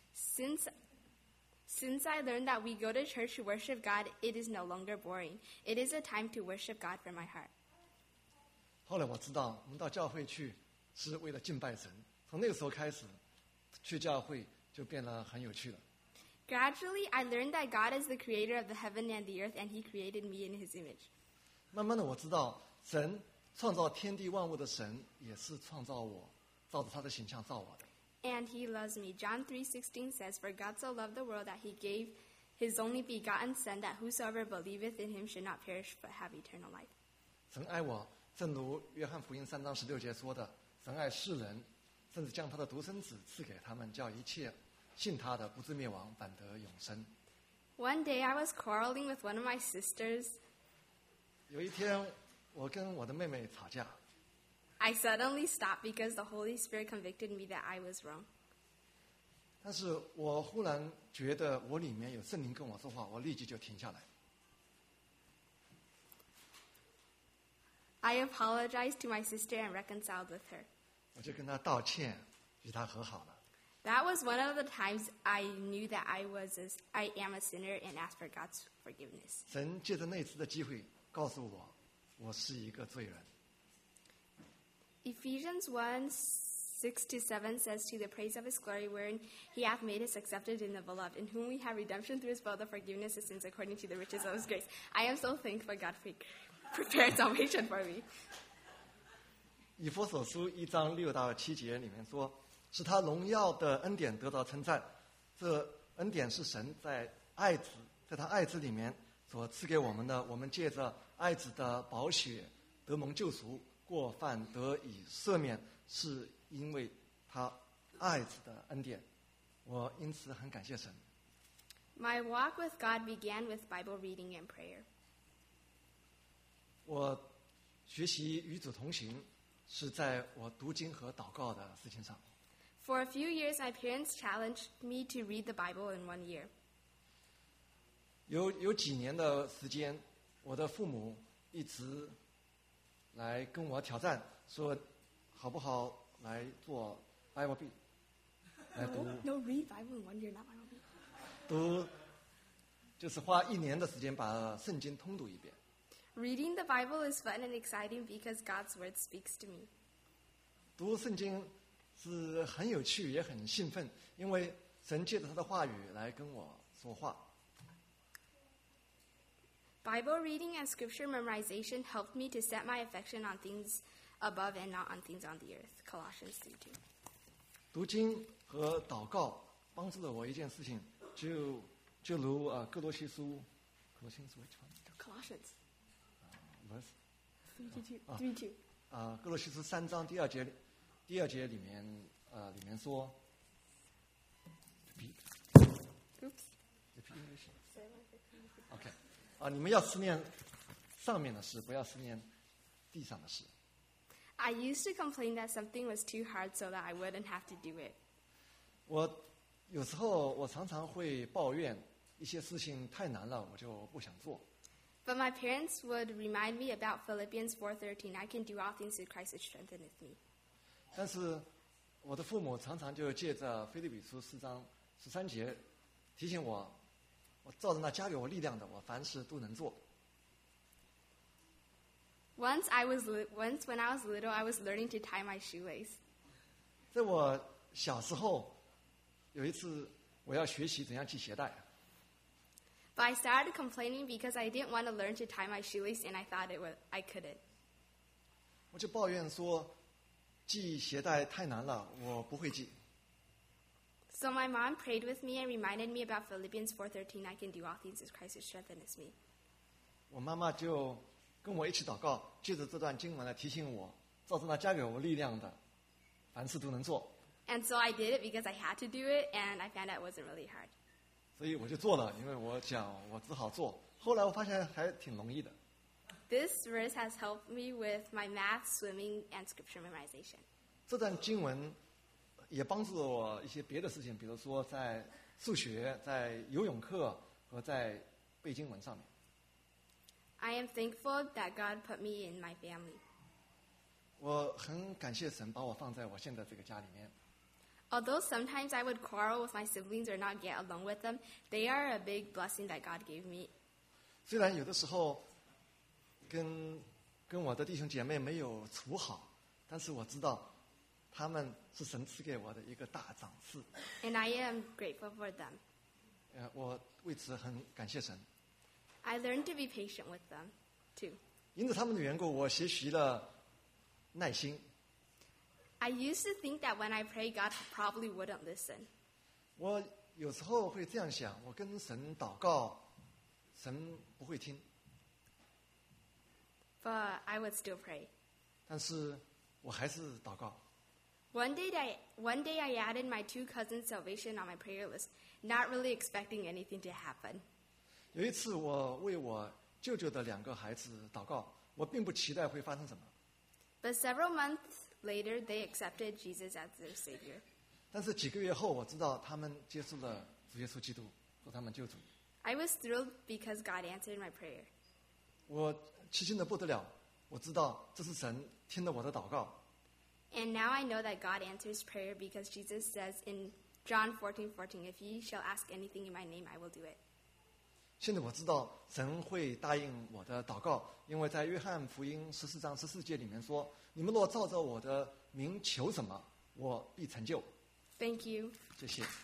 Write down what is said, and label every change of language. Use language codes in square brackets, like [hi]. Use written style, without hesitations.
[en] Since I learned that we go to church to worship God, it is no longer boring. It is a time to worship God from my heart. [zh] 后来我知道，我们到教会去是为了敬拜神。从那个时候开始，去教会就变得很有趣了。 [en] Gradually, I learned that God is the creator of the heaven and the earth, and He created me in His image. [zh] 慢慢的，我知道。神创造天地万物的神也是创造我，照着他的形象造我的。 [en] And he loves me. John 3:16 says, For God so loved the world that he gave his only begotten son, that whosoever believeth in him should not perish but have eternal life. [zh] 神爱我，正如约翰福音3:16说的，神爱世人，甚至将他的独生子赐给他们，叫一切信他的不至灭亡，反得永生。 [en] One day I was quarreling with one of my sisters. [zh] 有一天我跟我的妹妹吵架。 [en] I suddenly stopped because the Holy Spirit convicted me that I was wrong. [zh] 但是我忽然觉得我里面有圣灵跟我说话，我立即就停下来。 [en] I apologized to my sister and reconciled with her. [zh] 我就跟她道歉，与她和好了。 [en] That was one of the times I knew that I am a sinner and asked for God's forgiveness. [zh] 神借着那次的机会告诉我。我是一个罪人。 [en] Ephesians 1, 6-7 says, to the praise of his glory, wherein he hath made us accepted in the beloved, in whom we have redemption through his blood, the forgiveness of sins according to the riches of his grace. I am so thankful God prepared salvation for me. [zh] 以弗所书一章六到七节里面说，使他荣耀的恩典得到称赞，这恩典是神在爱子，在他爱子里面所赐给我们的，我们借着爱子的宝血得蒙救赎，过犯得以赦免，是因为他爱子的恩典，我因此很感谢神。 [en] My walk with God began with Bible reading and prayer. [zh] 我学习与主同行是在我读经和祷告的事情上。 [en] For a few years, my parents challenged me to read the Bible in 1 year. [zh] 有几年的时间，我的父母一直来跟我挑战，说好不好来做 [en] Bible B， [zh] 来读。 [en] No, read Bible in 1 year, not Bible B. [zh] 读就是花一年的时间把圣经通读一遍。 [en] Reading the Bible is fun and exciting because God's word speaks to me. [zh] 读圣经是很有趣也很兴奋，因为神借着他的话语来跟我说话。 [en] Bible reading and scripture memorization helped me to set my affection on things above and not on things on the earth. Colossians 3:2. [zh] 读经和祷告帮助了我一件事情，就如啊哥罗西书，哥罗西书 [en] which one? Colossians. Verse 3:2. [zh] 哥罗西书三章第二节，第二节里面里面说。 [en] Oops. Okay. [zh] 啊，你们要思念上面的事，不要思念地上的事。 [en] I used to complain that something was too hard so that I wouldn't have to do it. [zh] 我有时候我常常会抱怨一些事情太难了，我就不想做。 [en] But my parents would remind me about Philippians 4:13, I can do all things through Christ which strengtheneth me. [zh] 但是我的父母常常就借着腓立比书四章十三节提醒我，我照着那加给我力量的，我凡事都能做。 [en] Once when I was little, I was learning to tie my shoelace. [zh] 在我小时候，有一次我要学习怎样系鞋带。 [en] But I started complaining because I didn't want to learn to tie my shoelace, and I thought I couldn't. [zh] 我就抱怨说，系鞋带太难了，我不会系。 [en] So my mom prayed with me and reminded me about Philippians 4:13, I can do all things as Christ who strengthens me. [zh] 我妈妈就跟我一起祷告，借着这段经文来提醒我，照着那加给我力量的，凡事都能做。 [en] And so I did it because I had to do it, and I found out it wasn't really hard. [zh] 所以我就做了，因为我讲我只好做。后来我发现还挺容易的。 [en] This verse has helped me with my math, swimming, and scripture memorization. [zh] 这段经文也帮助了我一些别的事情，比如说在数学、在游泳课和在背经文上面。 [en] I am thankful that God put me in my family. [zh] 我很感谢神把我放在我现在这个家里面。 [en] Although sometimes I would quarrel with my siblings or not get along with them, they are a big blessing that God gave me. [zh] 虽然有的时候跟我的弟兄姐妹没有处好，但是我知道他们是神赐给我的一个大赏赐。 [en] And I am grateful for them. [zh] 我为此很感谢神。 [en] I learned to be patient with them, too. [zh] 因着他们的缘故，我学习了耐心。 [en] I used to think that when I pray, God probably wouldn't listen. [zh] 我有时候会这样想，我跟神祷告，神不会听。 [en] But I would still pray. [zh] 但是我还是祷告。 [en] One day I added my two cousins' salvation on my prayer list, not really expecting anything to happen. [zh] 有一次我为我舅舅的两个孩子祷告，我并不期待会发生什么。 [en] But several months later, they accepted Jesus as their Savior. [zh] 但是几个月后，我知道他们接受了主耶稣基督做他们救主。 [en] I was thrilled because God answered my prayer. [zh] 我吃惊的不得了，我知道这是神听了我的祷告。 [en] And now I know that God answers prayer because Jesus says in John 14:14, if you shall ask anything in my name, I will do it. [zh] 现在我知道神会答应我的祷告，因为在约翰福音14章14节里面说，你们若照着我的名求什么，我必成就。 [en] Thank you. [zh] 谢谢。